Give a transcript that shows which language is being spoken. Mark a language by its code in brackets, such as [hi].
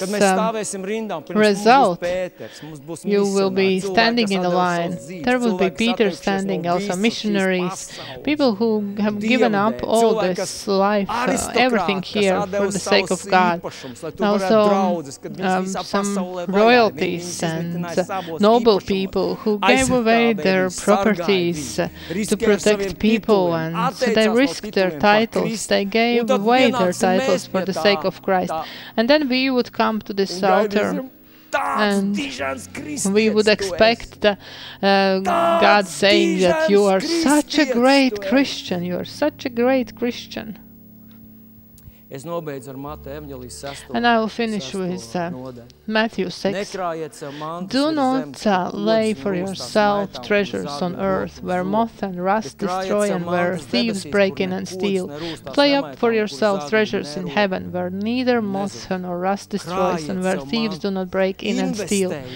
[lv] kad mēs stāvēsim rindām pirms result, mums būs Pēters, mums būs [en] you will be standing in the line. There will be Peter standing, also missionaries, people who have given up all this life, everything here for the sake of God. Also, some royalties and noble people who gave away their properties to protect people, and they risked their titles, they gave away their titles for the sake of Christ. And then we would come to this altar. And we would expect the God saying that you are such a great Christian, you are such a great Christian. [lv] Es nobeidzu ar Mateja evaņģēlijas 6. [en] And I will finish with Matthew 6. [lv] Nekrājiet savu mantu. [en] Do not lay for yourself treasures on earth, where moth and rust destroy and where thieves break in and steal. Lay up for yourself treasures in heaven, where neither moth nor rust destroys and where thieves do not break in and steal.